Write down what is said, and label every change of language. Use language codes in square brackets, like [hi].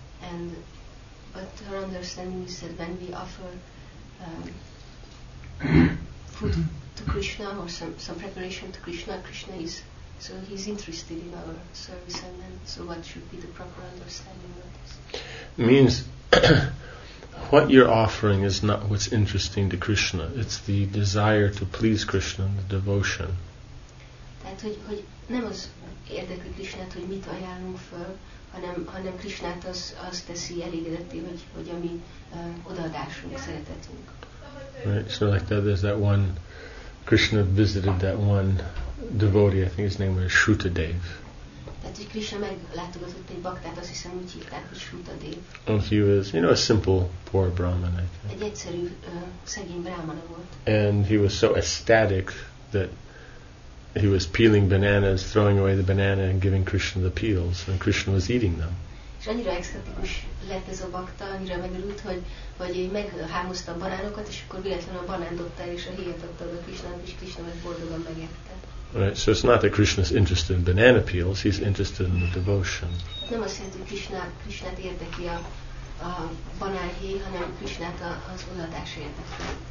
[en] And but her understanding is that when we offer food to Krishna or some preparation to Krishna, Krishna is, so he's interested in our service, and then so what should be the proper understanding of this? Means what you're offering is not what's interesting to Krishna. It's the desire to please Krishna, the devotion. [hu] Tehát, hogy nem az érdekli Krishnát, hogy mit ajánlunk föl, hanem Krishnát az teszi elégedetté, hogy ami odaadásunk, szeretetünk. [en] Right, so like that, there's that one, Krishna visited that one devotee, I think his name was Shrutadev. [hu] Tehát, hogy Krishna meglátogatott egy baktát, azt hiszem úgy hívták, hogy Shrutadev. [en] And he was, you know, a simple, poor Brahman, I think. [hu] Egy egyszerű, szegény Brahmana volt. [en] And he was so ecstatic that he was peeling bananas, throwing away the banana and giving Krishna the peels, and Krishna was eating them. [hu] És annyira ecstatikus lett ez a bakta, annyira megörült, hogy meghámozta a banánokat, és akkor véletlenül a banán dobta el, és a héjat adta a Krishna, és Krishna meg boldogan megette. [en] Right, so it's not that Krishna is interested in banana peels, he's interested in the devotion. [hu] Nem azt jelenti, hogy Krishnát érdekli a banánhéj, hanem Krishnát az odaadás érdekli.